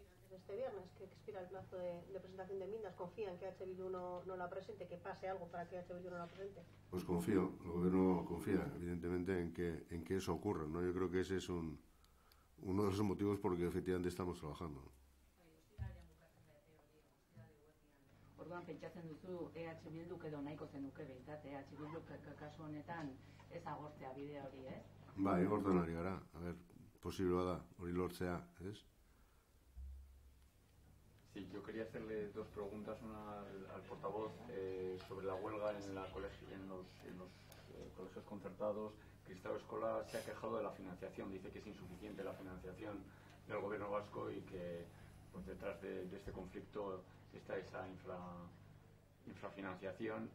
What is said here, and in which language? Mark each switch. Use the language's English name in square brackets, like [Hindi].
[Spanish] Este viernes, que expira el plazo de presentación de enmiendas, ¿confía en que H. Bildu no la presente, que pase algo para que H. Bildu no la presente? Pues confío, el Gobierno confía, evidentemente, en que eso ocurra, ¿no? Yo creo que ese es uno de los motivos por los que efectivamente estamos trabajando. [Basque] Orduan, pentsatzen duzu EH Bildu edo nahiko zenuke behintzat, EH Bildu kasu honetan ez agortzea bide hori, ez? Bai, hortan ari gara, [Spanish] a ver, [Basque] posiblea da, hori lortzea, ez? [Spanish] Sí, yo quería hacerle dos preguntas, una al portavoz sobre la huelga en los colegios concertados. Cristau Escola se ha quejado de la financiación, dice que es insuficiente la financiación del Gobierno vasco y que pues, detrás de este conflicto está esa infrafinanciación.